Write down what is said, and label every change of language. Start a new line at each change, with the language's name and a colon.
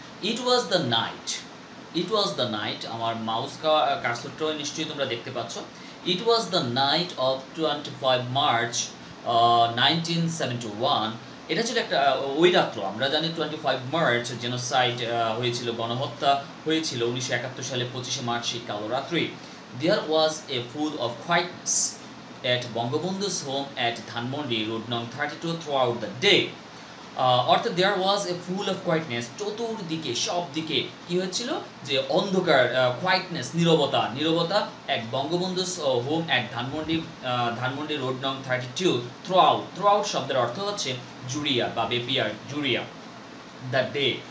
English: it was the night,
Bangla: আমার mouse কার্সরটা নিশ্চয়ই তোমরা দেখতে পাচ্ছ।
English: It was the night of 25 March 1971।
Bangla: এটা ছিল একটা ওই রাত্র, আমরা জানি 25 মার্চ জেনোসাইড হয়েছিল, গণহত্যা হয়েছিল 1971 সালে 25 মার্চ সেই কালো রাত্রি।
English: There was a full of quietness at Bangabandhu's home at Dhanmondi, road number 32, throughout the day.
Bangla: অর্থাৎ
English: there was a full of quietness,
Bangla: চতুর্দিকে সব দিকে কি হয়েছিল যে অন্ধকার, কোয়াইটনেস, নিরবতা এক
English: Bangabandhu's home at Dhanmondi road নং 32, throughout
Bangla: শব্দের অর্থ হচ্ছে জুড়িয়া বা বেপিয়ার, জুড়িয়া
English: The day.